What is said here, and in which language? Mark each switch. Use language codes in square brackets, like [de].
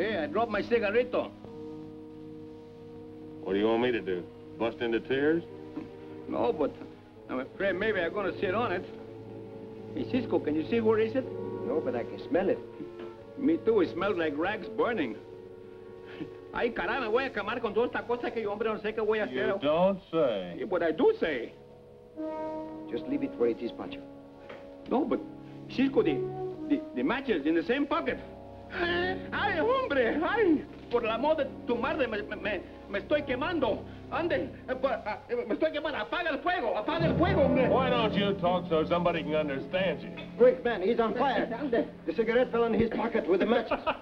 [en] Drop my cigarito. What do you want me to do? Bust into tears? No, but I'm afraid maybe I'm gonna sit on it. Hey, Cisco, can you see where is it? No, but I can smell it. Me too, it smells like rags burning. [es] Ay, caramba, voy a acabar con toda esta cosa que yo hombre no sé qué voy a hacer. [en] You don't say. Yeah, but I do say. Just leave it where it is, Pancho. No, but Cisco, the matches in the same pocket. [es] Ay, hombre, ay, por la moda de tu madre, me estoy quemando. Ande, Mr. Guevara, apaga el fuego, apaga el fuego, hombre. [en] Why don't you talk so somebody can understand you? Quick, man, he's on fire. Ande, the cigarette fell in his pocket with the matches.